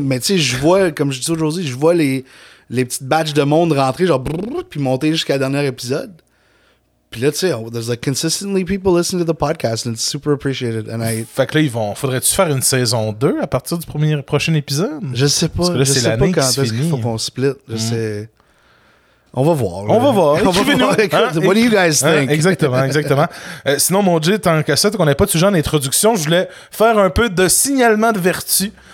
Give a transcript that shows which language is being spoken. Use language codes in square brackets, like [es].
[fr] Mais tu sais, je vois, comme je dis aujourd'hui, je vois les petites batches de monde rentrer, genre brrr, puis monter jusqu'à le dernier épisode. Puis là, tu sais, [en] there's like consistently people listening to the podcast and it's super appreciated. And I... [fr] Fait que là, faudrait-tu faire une saison 2 à partir du prochain épisode? Je sais pas. Parce que là, c'est l'année qui se finit. Je sais pas quand il faut qu'on split. Je sais. On va voir. On va voir. [en] What do you guys think? [fr] Exactement, exactement. Sinon, mon Jay, tant qu'à ça, qu'on n'ait pas de sujet en introduction, je voulais faire un peu de signalement de vertu.